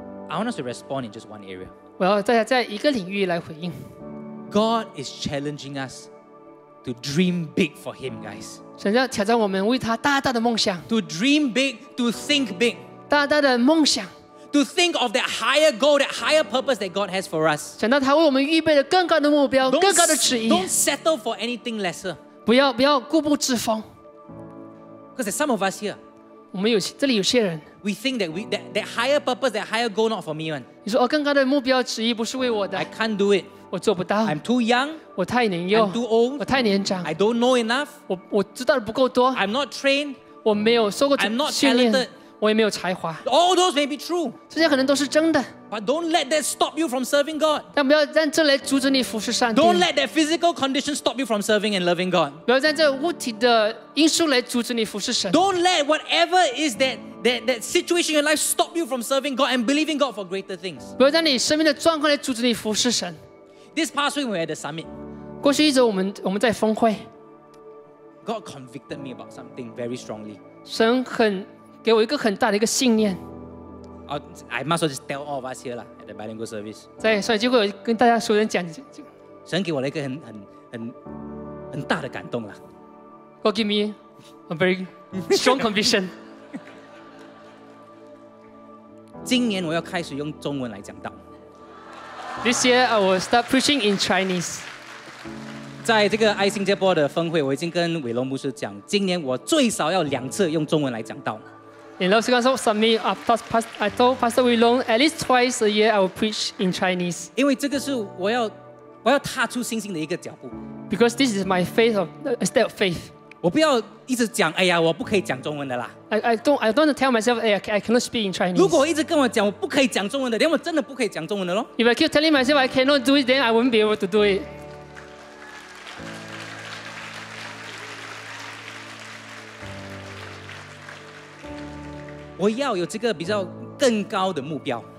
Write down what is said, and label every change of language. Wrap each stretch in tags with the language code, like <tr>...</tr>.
<en>I want us to respond in just one area.</en> <zh>我要大家在一个领域来回应。</zh> <en>God is challenging us to dream big for Him, guys.</en> <zh>神要挑战我们为他大大的梦想。</zh> <en>To dream big, to think big.</en> <zh>大大的梦想。</zh> <en>To think of that higher goal, that higher purpose that God has for us.</en> <zh>想到他为我们预备了更高的目标，更高的旨意。</zh> <en>Don't settle for anything lesser.</en> <zh>不要固步自封。</zh> <en>Because there's some of us here.</en> <zh>我们有这里有些人</zh> <en>，We think that we that higher purpose, that higher goal, not for me, man.</en> <zh>你说哦，更高的目标旨意不是为我的。</zh> <en>I can't do it.</en> <zh>我做不到。</zh> <en>I'm too young.</en> <zh>我太年幼。</zh> <en>I'm too old.</en> <zh>我太年长。</zh> <en>I don't know enough.</en> <zh>我知道的不够多。</zh> <en>I'm not trained.</en> <zh>我没有受过训练。</zh> <en>I'm not talented.</en> <zh>我也没有才华。</zh> <en>All those may be true.</en> <zh>这些可能都是真的。</zh> <en>But don't let that stop you from serving God.</en> <zh>但不要让这来阻止你服侍上帝。</zh> <en>Don't let that physical condition stop you from serving and loving God.</en> <zh>不要让这物体的因素来阻止你服侍神。</zh> <en>Don't let whatever is that situation in your life stop you from serving God and believing God for greater things.</en> <zh>不要让你生命的状况来阻止你服侍神。</zh> <en>This past week we were at the summit.</en> <zh>过去一周我们在峰会。</zh> <en>God convicted me about something very strongly.</en> <zh>神很给我一个很大的一个信念。</zh> <en>I must well just tell all of us here lah at the bilingual service.</en> <zh>在所以就会跟大家熟人讲，神给我了一个很很大的感动了。</zh> <en>God give me a very strong conviction.</en> <zh>今年我要开始用中文来讲道。</zh> <en>This year I will start preaching in Chinese.</en> <zh>在这个爱新加坡的峰会，我已经跟伟龙牧师讲，今年我最少要两次用中文来讲道。</zh> <en>In Los Angeles, I told Pastor Wei Long at least twice a year I will preach in Chinese.</en> <zh>因为这个是我要踏出信心的一个脚步。</zh> <en>Because this is my faith of a step of faith.</en> <zh>我不要一直讲，哎呀，我不可以讲中文的啦。</zh> <en>I don't tell myself, hey, I cannot speak in Chinese.</en> <zh>如果我一直跟我讲我不可以讲中文的，连我真的不可以讲中文的咯。</zh> <en>If I keep telling myself I cannot do it, then I won't be able to do it.</en> <zh>我要有这个比较更高的目标。</zh>